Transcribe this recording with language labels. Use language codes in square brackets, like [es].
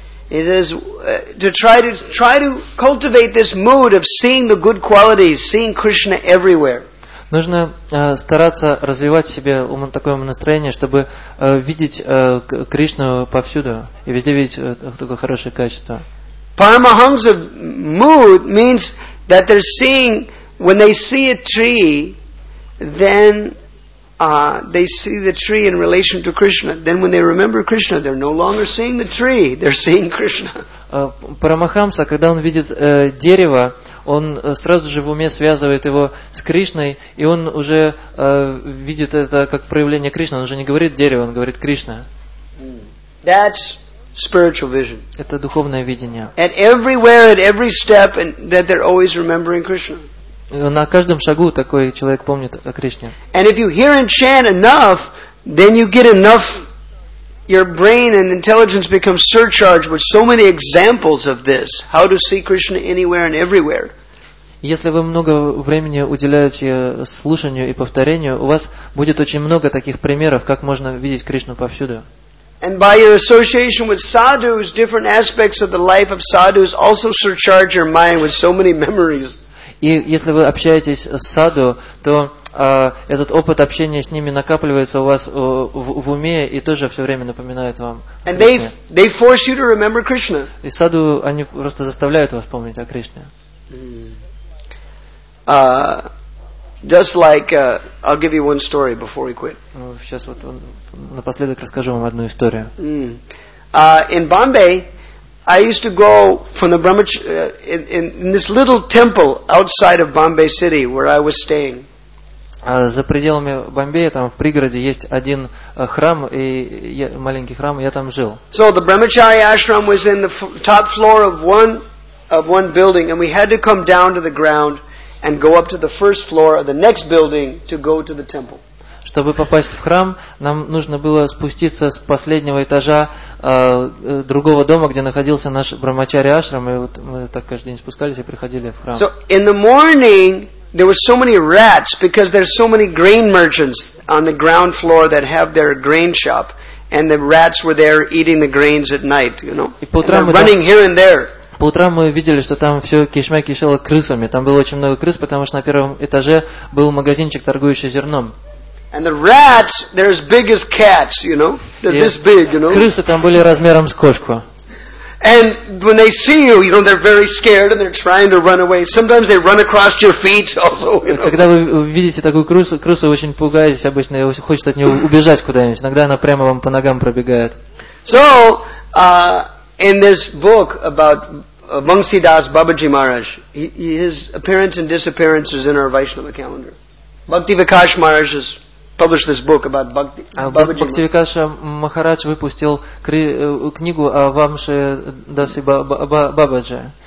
[en] He says to try to cultivate this mood of seeing the good qualities, seeing Krishna everywhere. [ru] Нужно стараться развивать в себе такое настроение, чтобы видеть Кришну повсюду и везде видеть такое хорошее качество. [en] Paramahamsa mood means that they're seeing, when they see a tree, then they see the tree in relation to Krishna. Then when they remember Krishna, they're no longer seeing the tree, they're seeing Krishna. [ru] Парамахамса, когда он видит дерево, он сразу же в уме связывает его с Кришной, и он уже видит это как проявление Кришны. Он уже не говорит дерево, он говорит Кришна. [en] That's spiritual vision. [ru] Это духовное видение. [en] And everywhere, at every step, that they're always remembering Krishna. [ru] На каждом шагу такой человек помнит о Кришне. [en] And if you hear and chant enough, then you get enough, your brain and intelligence become surcharged with so many examples of this, how to see Krishna anywhere and everywhere. [ru] Если вы много времени уделяете слушанию и повторению, у вас будет очень много таких примеров, как можно видеть Кришну повсюду. [en] And by your association with sadhus, different aspects of the life of sadhus also surcharge your mind with so many memories. [ru] И если вы общаетесь с саду, то этот опыт общения с ними накапливается у вас в уме и тоже все время напоминает вам о Кришне. И саду, они просто заставляют вас помнить о Кришне. [en] I'll give you one story before we quit. [ru] Сейчас вот напоследок расскажу вам одну историю. [en] In Bombay, I used to go from the in this little temple outside of Bombay city where I was staying. [ru] За пределами Бомбея, там в пригороде есть один храм, и маленький храм, я там жил. [en] So the Brahmachari ashram was in the top floor of one building, and we had to come down to the ground and go up to the first floor of the next building to go to the temple. [ru] Чтобы попасть в храм, нам нужно было спуститься с последнего этажа другого дома, где находился наш брахмачари ашрам, и вот мы так каждый день спускались и приходили в храм. [en] So in the morning there were so many rats because there's so many grain merchants on the ground floor that have their grain shop, and the rats were there eating the grains at night, you know. [ru] И по утрам [en] and running here and there. [ru] По утрам мы видели, что там все кишмя кишело крысами. Там было очень много крыс, потому что на первом этаже был магазинчик, торгующий зерном. [en] And the rats, they're as big as cats, you know. They're this big, you know. [ru] Крысы там были размером с кошку. [en] And when they see you, you know, they're very scared and they're trying to run away. Sometimes they run across your feet also, you know. [ru] Когда вы видите такую крысу, очень пугаетесь обычно, и хочется от нее убежать куда-нибудь. Иногда она прямо вам по ногам пробегает. [en] So, In this book about Vamsidas Babaji Maharaj, his appearance and disappearance is in our Vaishnava calendar. Bhakti Vikash Maharaj has published this book about Bhakti. [ru] Bhakti Vikash Maharaj выпустил книгу о Vamsidas Babaji.